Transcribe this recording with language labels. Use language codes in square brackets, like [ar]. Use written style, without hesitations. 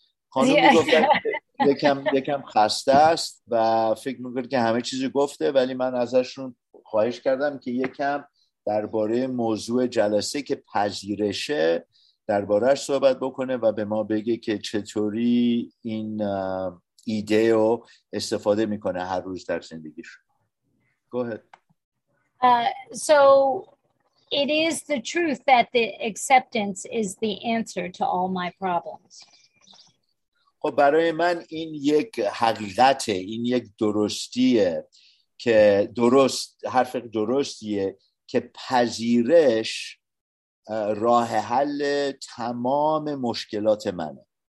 [fa] خانم گفت یکم خسته است و فکر میکرد که همه چیزی گفته، ولی من ازشون خواهش کردم که یکم درباره موضوع جلسه که پذیرشه دربارهش صحبت بکنه و به ما بگه که چطوری این ایده رو استفاده میکنه هر روز در زندگیش. [en] Go ahead. So it is the truth that the acceptance is the answer to all my problems. [fa] خب برای من این یک حقیقته، این یک درستیه که درست، حرف درستیه که پذیرش راه حل تمام مشکلات منه.